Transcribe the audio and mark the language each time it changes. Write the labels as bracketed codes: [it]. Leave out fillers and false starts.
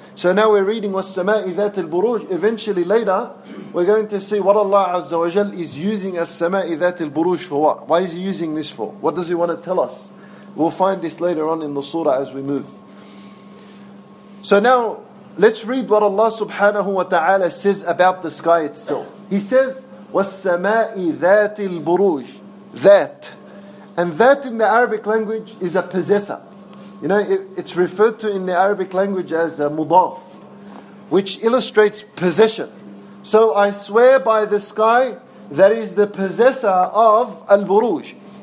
[en] So now we're reading [ar] وَالسَّمَاءِ ذَاتِ الْبُرُوجِ. [en] Eventually later, we're going to see what Allah Azza wa Jal is using as [ar] السَّمَاءِ ذَاتِ الْبُرُوجِ [en] for what? Why is He using this for? What does He want to tell us? We'll find this later on in the surah as we move. So now, let's read what Allah subhanahu wa ta'ala says about the sky itself. He says, [ar] وَالسَّمَاءِ ذَاتِ الْبُرُوجِ. [en] That. And that in the Arabic language is a possessor. You know, it's referred to in the Arabic language as a mudaf, which illustrates possession. So I swear by the sky that is the possessor of al-buruj.